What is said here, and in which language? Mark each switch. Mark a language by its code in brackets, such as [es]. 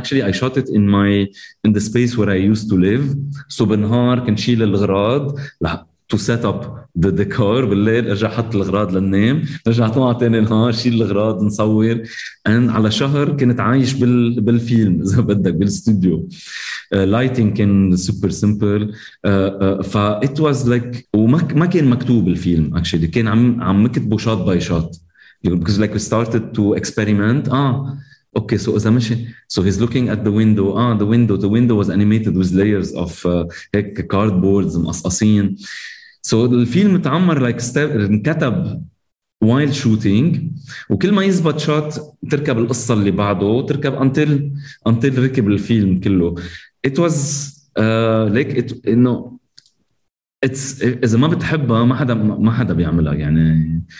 [en] Actually I shot it in the space where I used to live. [ar] So بالنهار كنت شيل الغراض [en] to set up the decor, [ar] بالليل أرجع حط الغراض للنام, أرجع طمع تاني نهار شيل الغراض نصور. And على شهر كنت عايش بالفيلم إذا بدك بالستوديو. [en] Lighting كان super simple. It was like, [ar] وما كان مكتوب الفيلم [en] actually, [ar] كان عم مكتبه [en] shot by shot. Because like we started to experiment. Okay, so [ar] إذا مشي, [en] so he's looking at the window. The window was animated with layers of هيك cardboards [ar] مقصقصين. So الفيلم تعمر [en] like step, [ar] انكتب [en] while shooting, [ar] وكل ما يزبط shot تركب القصة اللي بعده تركب until ركب الفيلم كله. [en] It was like it, you know, it's [ar] إذا ما بتحبها ما حدا بيعملها يعني.